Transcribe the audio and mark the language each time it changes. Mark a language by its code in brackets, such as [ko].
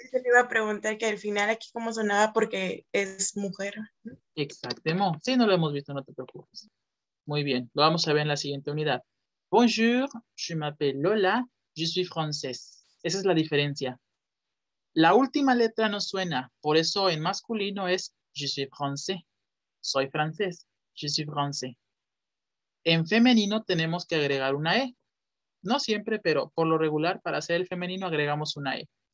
[es] Yo le iba a preguntar que al final aquí cómo sonaba porque es mujer. Exactamente. Sí, no lo hemos visto, no te preocupes. Muy bien, lo vamos a ver en la siguiente unidad. [fr] Bonjour, je m'appelle Lola. Je suis français. [es] Esa es la diferencia. La última letra no suena, por eso en masculino es [fr] je suis français. [es] Soy francés. [fr] Je suis français. [es] En femenino tenemos que agregar una E. No siempre, pero por lo regular para hacer el femenino agregamos una E.